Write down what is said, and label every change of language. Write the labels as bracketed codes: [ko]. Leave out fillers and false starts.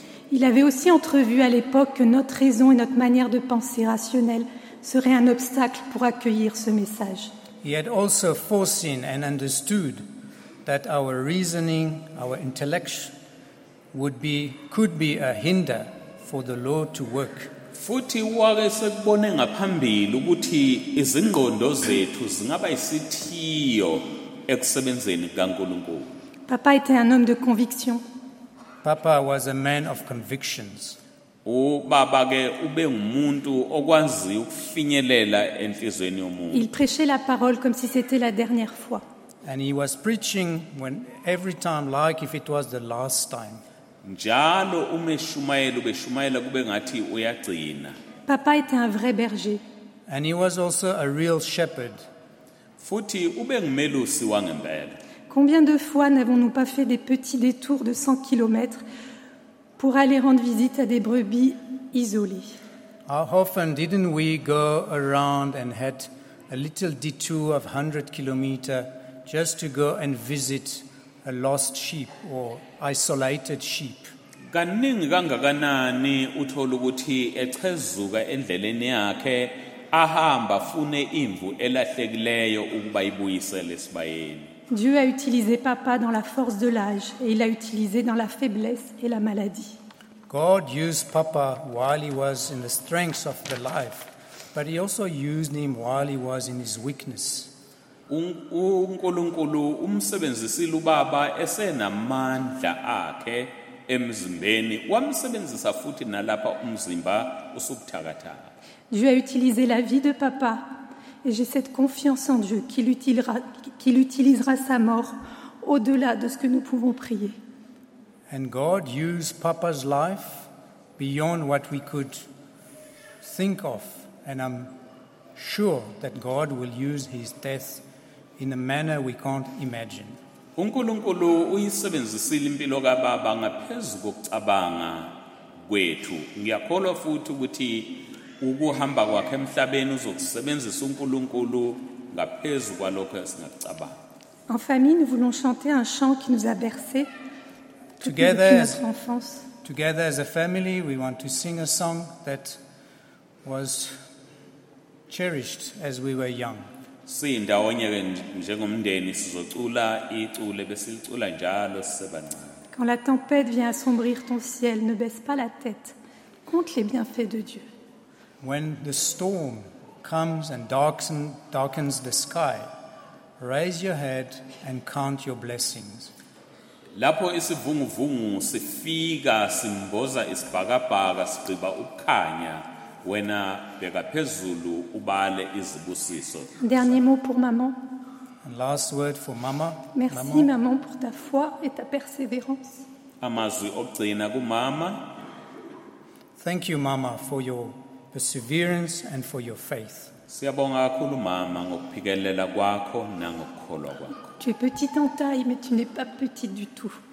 [fr] Il avait aussi entrevu à l'époque que notre raison et notre manière de penser rationnelle seraient un obstacle pour accueillir ce message. [en] He had also foreseen and understood that our reasoning, our intellect could be a hinder for the Lord to work. [zu] Futhi wake sekubone ngaphambili ukuthi izingqondo zethu zingaba isithiyo ekusebenzeni kaNkulunkulu. [fr] Papa était un homme de conviction. [en] Papa was a man of convictions. [zu] O baba ke ube ngumuntu okwazi ukufinyelela enhlizweni yomuntu. [fr] Il prêchait la parole comme si c'était la dernière fois. [en] And he was preaching when every time like if it was the last time. [zu] Njalo umeshumayela ubeshumayela kube ngathi uyagcina. [fr] Papa était un vrai berger. [en] And he was also a real shepherd. [zu] Futhi ube ngumelusi wangempela. [fr] Combien de fois n'avons-nous pas fait des petits détours de 100 km pour aller rendre visite à des brebis isolées? [en] How often didn't we go around and had a little detour of 100 km just to go and visit a lost sheep or isolated sheep? [zu] Kaningi kangakanani uthola ukuthi echezuka endleleni yakhe ahamba afune imvu elahlekileyo ukuba ibuyisele esibayeni. [fr] Dieu a utilisé papa dans la force de l'âge et il l'a utilisé dans la faiblesse et la maladie. [en] God used papa while he was in the strength of the life, but he also used him while he was in his weakness. [zu] UNkulunkulu umsebenzisile ubaba esenamandla akhe emzimbeni, wamsebenzisa futhi nalapha umzimba usubuthakathaka. [fr] Dieu a utilisé la vie de papa. Et j'ai cette confiance en Dieu qu'il utilisera sa mort au-delà de ce que nous pouvons prier. [en] And God used Papa's life beyond what we could think of, and I'm sure that God will use his death in a manner we can't imagine. [zu] UNkulunkulu uyisebenzisile impilo kababa ngaphezu kokucabanga kwethu. Ngiyakholwa futhi ukuthi ukuhamba kwakhe emhlabeni uzokusebenzisa uNkulunkulu ngaphezu kwalokho esingacabanga. [fr] En famille, nous voulons chanter un chant qui nous a bercé [en] together [fr] notre enfance. [en] Together as a family, we want to sing a song that was cherished as we were young. [zu] Sindawonye njengomndeni sizocula icule besilicula njalo sisebancane. [fr] Quand la tempête vient assombrir ton ciel, ne baisse pas la tête. Compte les bienfaits de Dieu. [en] When the storm comes and darkens the sky, raise your head and count your blessings. [zu] Lapho isivunguvungu sifika simboza isibhakabhaka sigciba ukukhanya, wena beka phezulu ubale izibusiso. [fr] Dernier mot pour maman. [en] And last word for mama. [fr] Merci maman pour ta foi et ta persévérance. [zu] Amazwi okugcina kumama. [en] Thank you mama for your perseverance and for your faith. [zu] Siyabonga kakhulu mama ngokuphikelela kwakho nangokukholwa kwakho. [fr] Tu es petite en taille mais tu n'es pas petite du tout.